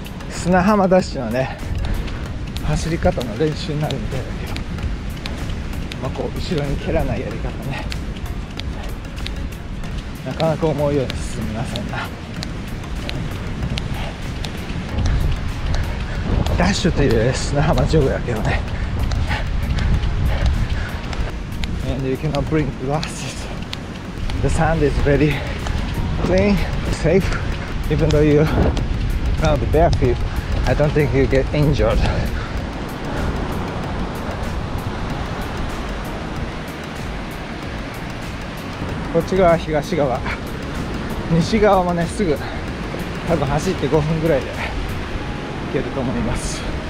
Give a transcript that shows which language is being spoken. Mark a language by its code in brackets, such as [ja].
[ja] 砂浜ダッシュのね走り方の練習になるみたいだけど、まあ、こう後ろに蹴らないやり方ね、なかなか思うように進みませんな。ダッシュという砂浜ジョグやけどね。 [en] And you cannot bring glasses. The sand is very clean, safe. Even though you found the bare feet, I don't think you get injured [ja] こっち側、東側、西側もね、すぐ多分走って5分ぐらいで行けると思います。